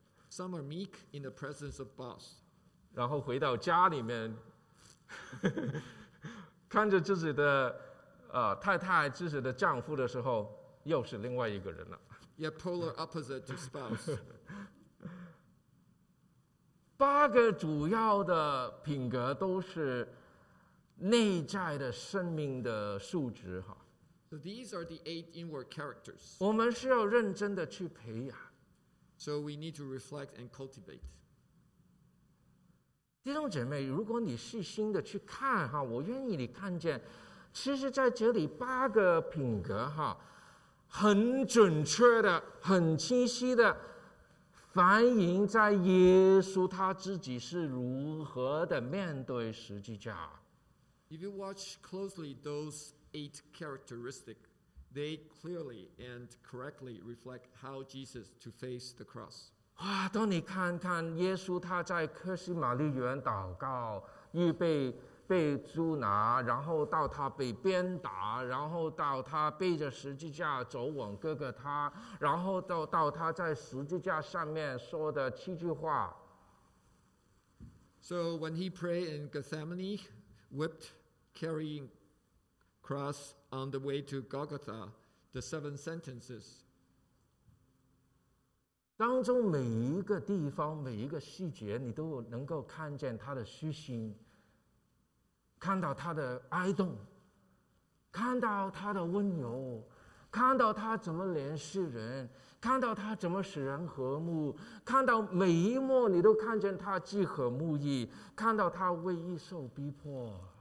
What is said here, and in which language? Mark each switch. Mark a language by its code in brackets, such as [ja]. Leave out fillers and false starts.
[en] Some are meek in the presence of boss. [zh] 然后回到家里面，看着自己的太太、自己的丈夫的时候，又是另外一个人了。 [en] Yeah, polar opposite to spouse. [zh] 八个主要的品格都是内在的生命的素质哈。 [en] So these are the eight inward characters. [zh] 我们需要认真的去培养。 [en] So we need to reflect and cultivate. [zh] 弟兄姐妹，如果你细心的去看哈，我愿意你看见，其实在这里八个品格哈，很准确的、很清晰的反映在耶稣他自己是如何的面对十字架。 [en] If you watch closely those eight characteristics, they clearly and correctly reflect how Jesus to face the cross. [zh] 哇，当你看看耶稣他在客西马利园祷告，预备被捉拿，然后到他被鞭打，然后到他背着十字架走往哥哥他，然后 到他在十字架上面说的七句话。 [en] So when he prayed in Gethsemane, whipped, carrying cross on the way to Golgotha, the seven sentences. [zh] 当中每一个地方，每一个细节，你都能够看见他的虚心。看到他的哀动，看到他的温柔，看到他怎么怜恤人，看到他怎么使人和睦，看到每一幕你都看见他既和睦意，看到他为义受逼迫。